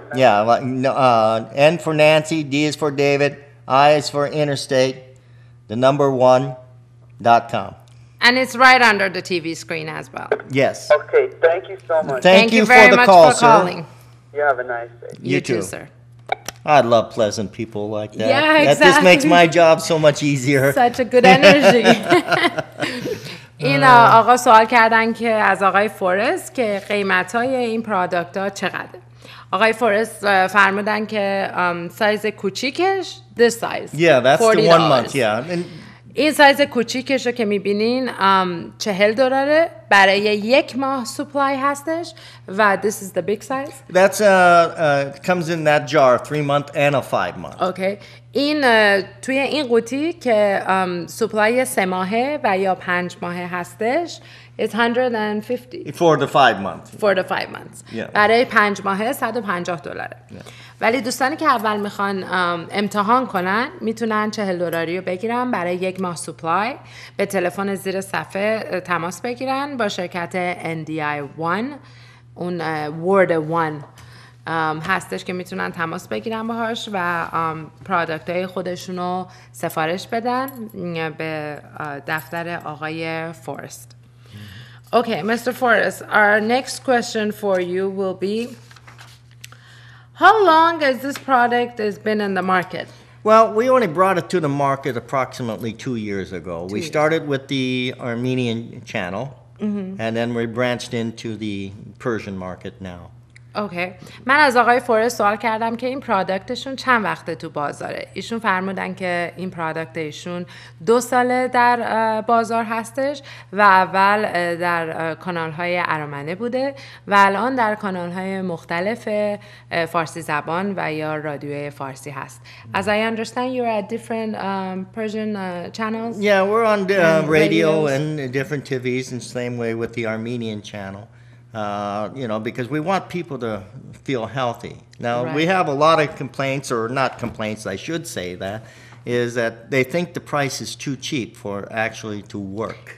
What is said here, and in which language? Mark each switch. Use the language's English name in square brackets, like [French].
[English] Yeah, N for Nancy, D is for David, I is for Interstate, the number 1.com. And it's right under the TV screen as well. Yes. Okay, thank you so much. Thank you very much for calling. You have a nice day. You too, sir. I love pleasant people like that. Yeah, exactly. That just makes my job so much easier. Such a good energy. [Persian] این آقا سوال کردن که از آقای فورست که قیمتای این پروداکت‌ها چقدره. آقای فورست فرمودن که سایز کوچیکش [English] this size. Yeah, that's $40. The 1 month, yeah. [Persian] این سایز کوچیکش رو که می‌بینین 40 دلاره و برای یک ماه سپلای هستش و [English] this is the big size. That's comes in that jar, 3 month and a 5 month. [Persian] Okay. این توی این قوطی که سپلای 3 ماهه و یا 5 ماهه هستش [English] it's 150. For the 5 months. For the 5 months. Yeah. [Persian] برای 5 ماهه $150. [English] Yeah. [Persian] ولی دوستانی که اول میخوان امتحان کنن میتونن $40 بگیرن برای یک ماه سپلای. به تلفن زیر صفحه تماس بگیرن با شرکت NDI One. اون Word One. هستش که میتونن تماس بگیرن باهاش و پرادکت های خودشونو سفارش بدن به دفتر آقای فورست. [English] Okay, Mr. Forrest, our next question for you will be, how long has this product has been in the market? Well, we only brought it to the market approximately 2 years ago. We started with the Armenian channel, and then we branched into the Persian market now. Okay okay. [Persian] من از آقای فورست سوال کردم که این پرادکتشون چند وقته تو بازاره. ایشون فرمودن که این پرادکت ایشون 2 ساله در بازار هستش و اول در کانال‌های ارامنه بوده و الان در کانال‌های مختلف فارسی زبان و یا رادیوی فارسی هست. [English] As I understand, you're at different Persian channels. Yeah, we're on the, radio and different TVs and same way with the Armenian channel. You know, because we want people to feel healthy. Now, right. we have a lot of complaints, or not complaints, I should say that, is that they think the price is too cheap for actually to work.